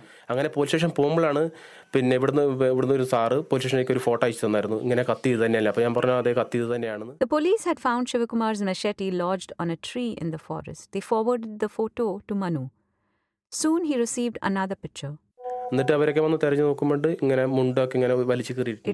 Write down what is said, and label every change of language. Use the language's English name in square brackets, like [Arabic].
[Malayalam] അങ്ങനെ police station പോകുമ്പോഴാണ് പിന്നെ ഇവിടുന്ന് ഒരു സാറ് പോലീസ് സ്റ്റേഷനിലേക്ക് ഒരു ഫോട്ടോ അയച്ചു തന്നായിരുന്നു ഇങ്ങനെ കത്തി ഇത് തന്നെയല്ല അപ്പൊ ഞാൻ പറഞ്ഞു അതെ കത്തി ഇത് തന്നെയാണ് [English] The police had found Shivakumar's machete lodged on a tree in the forest. They forwarded the photo to Manu. Soon he received another picture. [Malayalam] എന്നിട്ട് അവരൊക്കെ വന്ന് തെരഞ്ഞു നോക്കുമ്പോൾ ഇങ്ങനെ മുണ്ടൊക്കെ ഇങ്ങനെ വലിച്ചു കയറിയിട്ടുണ്ട്